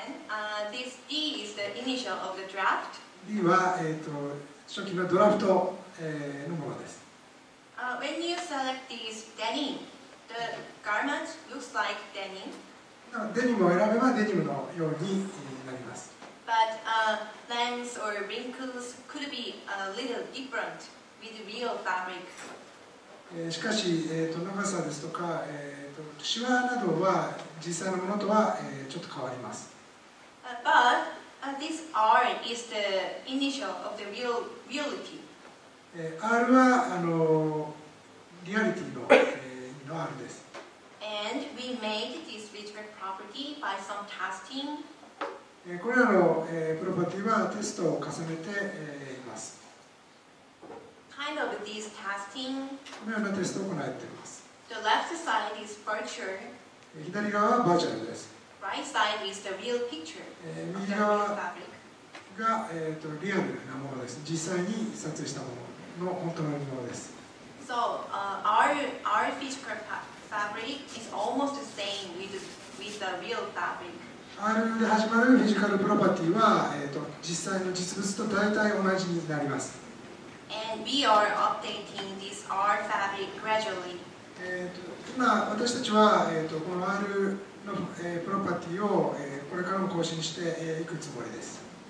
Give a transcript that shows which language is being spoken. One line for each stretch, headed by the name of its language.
English: And this D is the initial of the draft.
Japanese: D は、初期のドラフト、のものです。
English: When you select this denim, the garment looks like denim.
Japanese: デニムを選べばデニムのようになります。
English: But lines or wrinkles could be a little different with real fabric.
Japanese: しかし、長さですとか、シワなどは実際のものとは、ちょっと変わります。
English: But this R is the initial of the real reality.
Japanese: R はリアリティの、の R です。
English: And we made this physical property by some testing.
Japanese: これらの、プロパティはテストを重ねて、います。
English: Kind of D is testing.
Japanese: このようなテストを行っています。
English: The left side is virtual.
Japanese: 左側はバーチャルです。
English: Right side is the real picture.
Japanese: 右側が、リアルなものです。実際に撮影したものの本当のものです。
English: So, our physical fabric is almost the same with the real fabric.
Japanese: R で始まるフィジカルプロパティは、実際の実物と大体同じになります。
English: And we are updating this R fabric gradually.
Japanese: 今私たちは、この R の、プロパティを、これからも更新して、いくつもりです。